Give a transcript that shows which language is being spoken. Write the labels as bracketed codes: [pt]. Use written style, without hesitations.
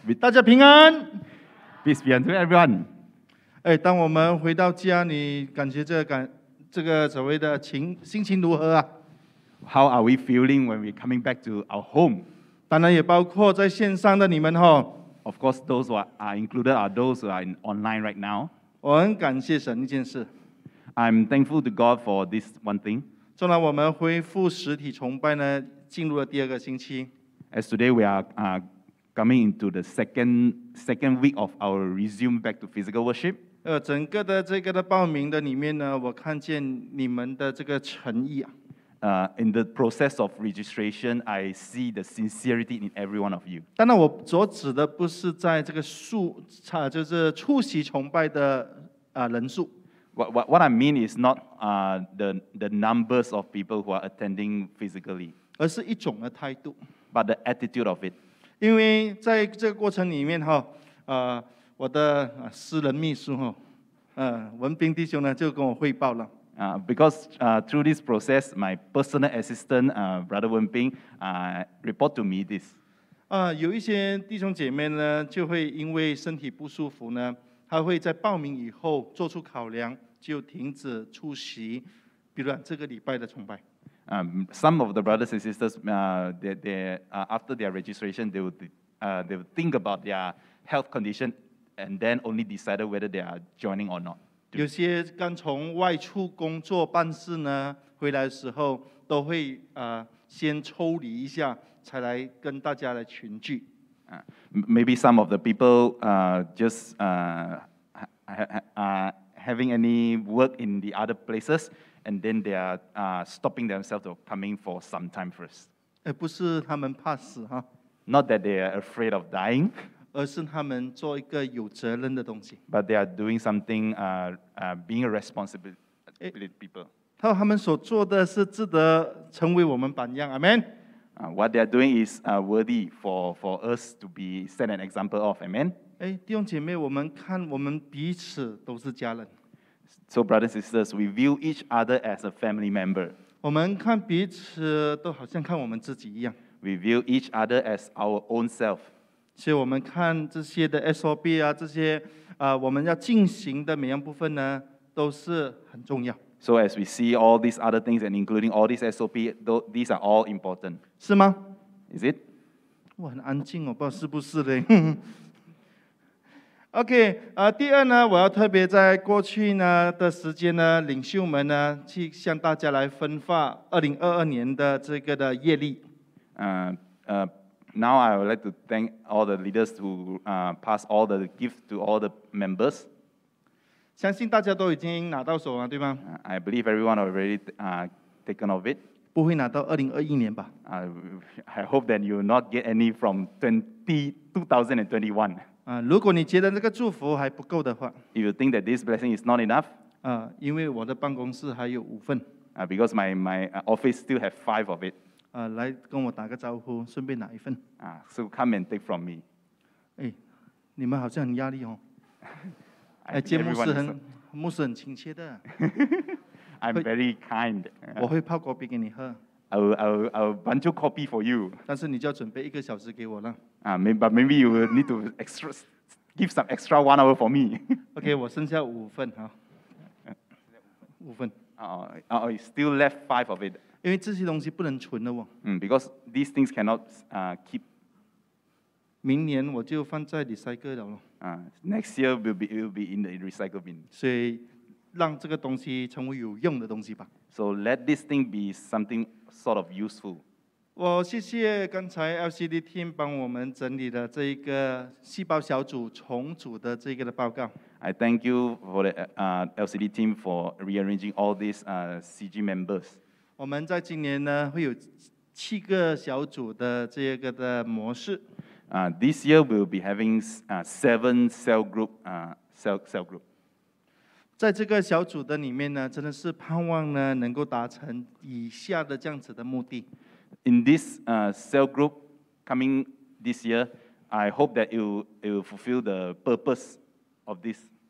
[zh] 大家平安。 [en] Peace be unto everyone。 [zh] 哎，当我们回到家，你感觉这个所谓的心情如何啊 [en] ？How are we feeling when we coming back to our home？ [zh] 当然也包括在线上的你们哈。 [en] Of course, those who are included are those who are in online right now。 [zh] 我很感谢神一件事。 [en] I'm thankful to God for this one thing. [zh] 纵然我们恢复实体崇拜呢，进入了第二个星期。 [en] As today we are coming into the second week of our resume back to physical worship. [zh] 整个的这个的报名的里面呢，我看见你们的这个诚意啊。 [en] In the process of registration, I see the sincerity in every one of you. [zh] 当然，我所指的不是在这个数，就是出席崇拜的人数。 [en] What I mean is not the numbers of people who are attending physically, [zh] 而是一种的态度。 [en] But the attitude of it. [zh] 因为在这个过程里面哈，我的私人秘书哈，文斌弟兄呢就跟我汇报了。 [en] Because through this process, my personal assistant, Brother Wenping, report to me this. [zh] 有一些弟兄姐妹呢，就会因为身体不舒服呢，他会在报名以后做出考量，就停止出席，比如这个礼拜的崇拜。 [en] Some of the brothers and sisters, after their registration, they will think about their health condition, and then only decide whether they are joining or not. [zh] 有些刚从外出工作办事呢，回来的时候都会先抽离一下，才来跟大家来群聚。 [en] Maybe some of the people having any work in the other places, and then they are stopping themselves from coming for some time first. [zh] 不是他们怕死哈。 [en] Not that they are afraid of dying. [zh] 而是他们做一个有责任的东西。 [en] But they are doing something, being a responsible people. [zh] 他们所做的是值得成为我们榜样。 [en] Amen. What they are doing is worthy for us to be set an example of. Amen. [zh] 弟兄姐妹，我们看我们彼此都是家人。 [en] So brothers and sisters, we view each other as a family member. [zh] 我们看彼此都好像看我们自己一样。 [en] We view each other as our own self. [zh] 所以我们看这些的 SOP 啊，这些我们要进行的每样部分呢，都是很重要。 [en] So as we see all these other things and including all these SOP, these are all important. [zh] 是吗？ [en] Is it? [zh] 我很安静，我不知道是不是的。 OK, 第二呢，我要特别在过去呢的时间呢，领袖们呢，去向大家来分发2022年的这个的业力。 [en] Now I would like to thank all the leaders who pass all the gifts to all the members. [zh] 相信大家都已经拿到手了，对吗？ [en] I believe everyone already taken of it. [zh] 不会拿到2021年吧？ [en] I hope that you will not get any from 2021. [zh] 如果你觉得这个祝福还不够的话， [en] if you think that this blessing is not enough, [zh] 因为我的办公室还有五份， [en] because my office still have 5 of it. [zh] 来跟我打个招呼，顺便拿一份。 [en] So come and take from me. [zh] 你们好像很压力哦。见牧师很亲切的。 [en] I'm very kind. [zh] 我会泡咖啡给你喝。 [en] I'll bunch of coffee for you. [zh] 但是你就要准备一个小时给我了。 [en] But maybe you will need to extra, give some extra 1 hour for me. [zh] Okay, 我剩下五份哈。五份。 [en] You still left 5 of it. [zh] 因为这些东西不能存的哦。 [en] Because these things cannot keep. [zh] 明年我就放在 recycle 了咯。 [en] Next year will be in the recycle bin. [zh] 所以让这个东西成为有用的东西吧。 [en] So let this thing be something sort of useful. [zh] 我谢谢刚才 LCD team 帮我们整理的这一个细胞小组重组的这个的报告。 [en] I thank you for the LCD team for rearranging all these CG members. [zh] 我们在今年呢会有七个小组的这个的模式。 [en] This year we'll be having seven cell group. [zh] 在这个小组的里面呢，真的是盼望呢能够达成以下的这样子的目的。 [en] In this cell group coming this year, I hope that it will fulfill the purpose of this.